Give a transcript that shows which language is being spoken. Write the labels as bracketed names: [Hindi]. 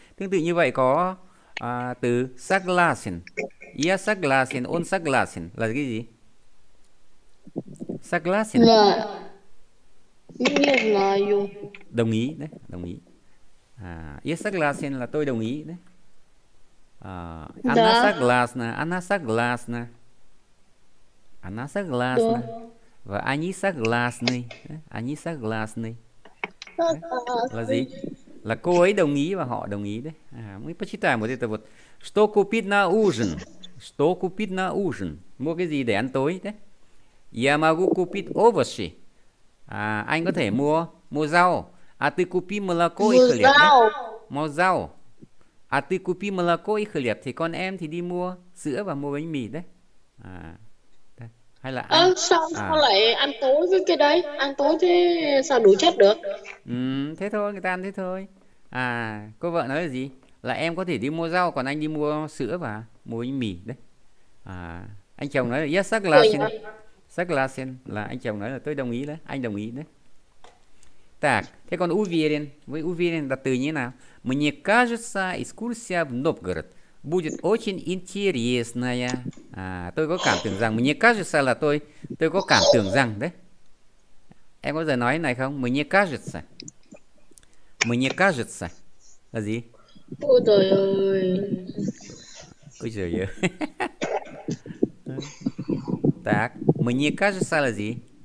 [Vietnamese] Tương tự như vậy có từ saglasen. [Russian] Я согласен, он согласен. [Vietnamese] Là cái gì? [Russian] Согласен. Да. Не знаю. [Vietnamese] Đồng ý đấy, đồng ý. [Russian] Я согласен [Vietnamese] là tôi đồng ý đấy. [Russian] Она согласна, она согласна. Она согласна. Và они согласны. Они согласны. [Vietnamese] Là gì? Là cô ấy đồng ý và họ đồng ý đấy. [Russian] Мы почитаем вот это вот. Что купить на ужин? Что купить на ужин? [Vietnamese] Mua cái gì để ăn tối? [Russian] Я могу купить овощи. [Vietnamese] Anh có thể mua rau. [Russian] А ты купи молоко и хлеб. [Vietnamese] Mua rau. [Russian] А ты купи молоко и хлеб. [Vietnamese] Thì con em thì đi mua sữa và mua bánh mì đấy. Hay là ăn. Sao lại ăn tối với cái đấy? Ăn tối thế sao đủ chất được? Thế thôi, người ta ăn thế thôi. Cô vợ nói là gì? Là em có thể đi mua rau, còn anh đi mua sữa và mua bánh mì đấy. Anh chồng nói là yes, saglasen. Là anh chồng nói là tôi đồng ý đấy, anh đồng ý đấy. Так, thế còn уверен. [Russian] Вы уверен [Vietnamese] đặt từ như nào? [Russian] Мне кажется, экскурсия в Новгород будет очень интересная. [Vietnamese] Tôi có cảm tưởng rằng, [Russian] мне кажется [Vietnamese] là tôi có cảm tưởng rằng đấy. Em có thể nói này không? Mình như кажется. Mình như кажется. Là gì? Ôi trời ơi. Ôi trời [Russian] Так, мне кажется, [Vietnamese] là gì?